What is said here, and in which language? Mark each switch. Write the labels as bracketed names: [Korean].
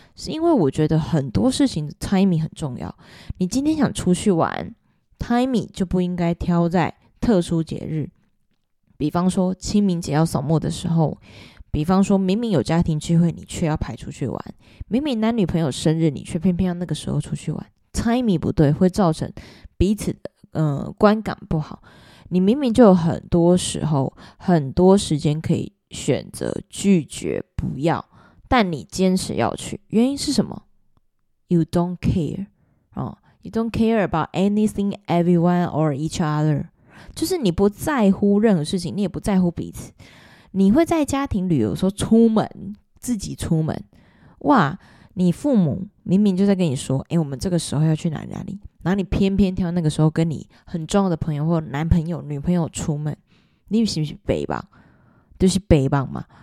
[Chinese] 是因为我觉得很多事情的 timing 很重要。你今天想出去玩， timing 就不应该挑在特殊节日，比方说清明节要扫墓的时候，比方说明明有家庭聚会你却要排出去玩，明明男女朋友生日你却偏偏要那个时候出去玩， timing 不对会造成彼此的观感不好。你明明就有很多时候很多时间可以选择拒绝不要，但你坚持要去，原因是什么？ [English] You don't care You don't care about anything, everyone or each other， [Chinese] 就是你不在乎任何事情，你也不在乎彼此。你会在家庭旅游说出门，自己出门，哇，你父母明明就在跟你说，欸，我们这个时候要去哪里哪里，然后你偏偏挑那个时候跟你很重要的朋友或男朋友女朋友出门，你是不是北棒？就是北棒嘛。